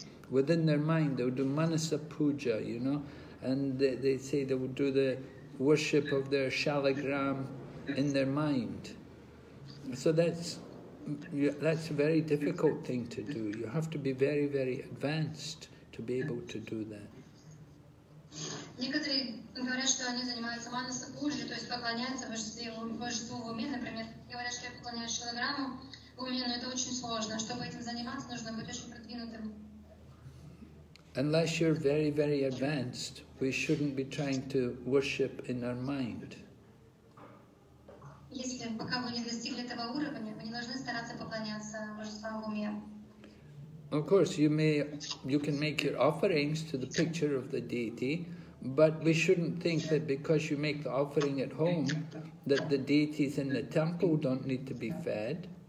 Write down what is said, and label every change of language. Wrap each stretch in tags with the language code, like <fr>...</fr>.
<en>Within their mind, they'll do manasa puja, you know, and they say they will do the worship of their shalagram in their mind. So that's a very difficult thing to do. You have to be very, very advanced to be able to do that.</en> <ru>Некоторые говорят, что они занимаются манасапуджи, то есть поклоняются божеству в уме, например. Говорят, что я поклоняюсь шилограмму в уме, но это очень сложно. Чтобы этим заниматься, нужно быть очень продвинутым.</ru> <en>Unless you're very, very advanced, we shouldn't be trying to worship in our mind.</en> <ru>Если пока вы не достигли этого уровня, вы не должны стараться поклоняться божеству в уме.</ru> <en>Of course, you can make your offerings to the picture of the deity, but we shouldn't think that because you make the offering at home, that the deities in the temple don't need to be fed.</en>